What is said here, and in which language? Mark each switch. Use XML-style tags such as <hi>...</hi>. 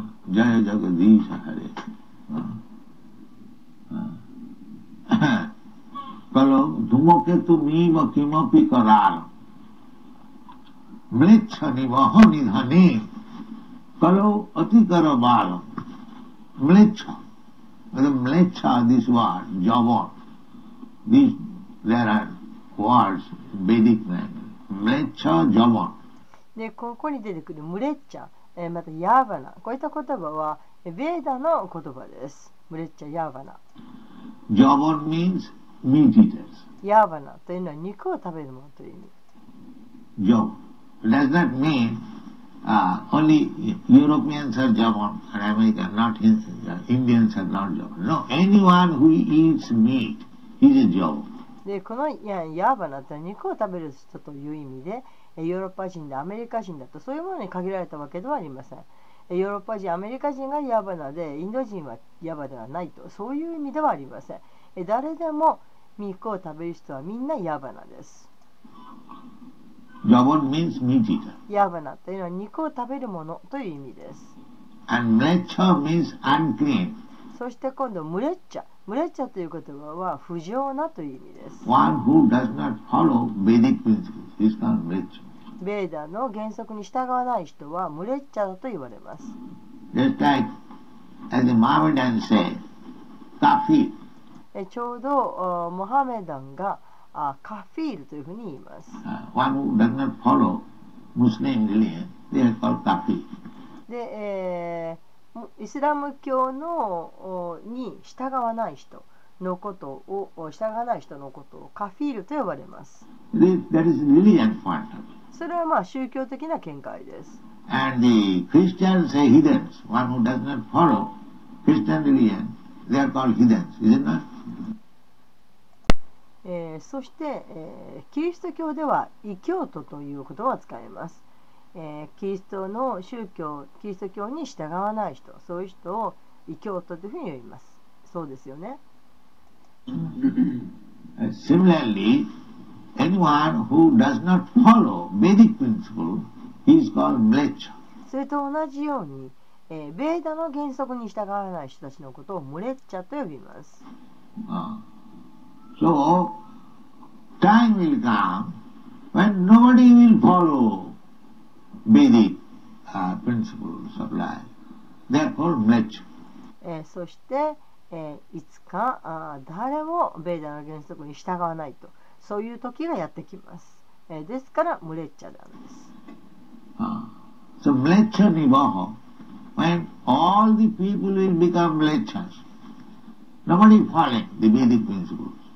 <sa>Jaya Jagadisha Hare Kalo Dhumaketu Mima Kimapi Karar Mlechani Vahani Dhani Kalo Atikara Bala Mlecha Mlecha</sa> <en>this word Javan There are words Vedic language Mlecha Javan</en> <ja>でここに出てくるムレッチャまたヤーバナこういった言葉はベーダの言葉です。ムレッチャヤーバナ。</ja> <en>ジャバン means meat eaters。</en> <ja>ヤーバナというのは肉を食べるものという意味。</ja> <en>ジャバン does not mean only Europeans are Javan and Americans not Indians are not Javan no anyone who eats meat is a Javan。</en> <ja>でこのヤーバナというのは肉を食べる人という意味で、ヨーロッパ人でアメリカ人だとそういうものに限られたわけではありません。ヨーロッパ人アメリカ人がヤバナでインド人はヤバではないとそういう意味ではありません。誰でも、肉を食べる人はみんなヤバナです。</ja> <en>ヤバナ means meat eater。</en> <ja>ヤバナというのは肉を食べるものという意味です。</ja> <en>And mrecha means unclean。</en> <ja>そして今度ムレッチャ、ムレッチャという言葉は不浄なという意味です。</ja> <en>One who does not follow Vedic principles is called mrecha。</en> <ja>ベーダの原則に従わない人はムレッチャだと言われます。</ja> <en>Just like as the Mohammedan said kafir。</en> <ja>ちょうどモハメダンがカフィールというふうに言います。</ja> <en>One who does not follow Muslim religion, they are called kafir。</en> <ja>で、イスラム教のに従わない人のことを、従わない人のことをカフィールと呼ばれます。</ja> <en>That is religion point。</en> <ja>それはまあ宗教的な見解です。</ja> <en>And the Christians say heathens, one who does not follow Christian religion, they are called heathens, is it not?</en> <ja>そして、キリスト教では異教徒という言葉を使います。キリストの宗教、キリスト教に従わない人、そういう人を異教徒というふうに呼びます。そうですよね。</ja> <en>Similarly, anyone who does not follow Vedic principle is called mrecha。</en> <ja>それと同じようにベーダの原則に従わない人たちのことをムレッチャと呼びます。</ja> <en>So, time will come when nobody will follow Vedic principles of life. Therefore, mrecha.</en> <ja>そして、いつか誰もベーダの原則に従わないと、そういう時がやってきます。ですから、ムレッチャなんです。</ja> <en>So,</en> <sa>mrecha nibbaha,</sa> <en>when all the people will become mrechas, nobody following the Vedic principles.</en>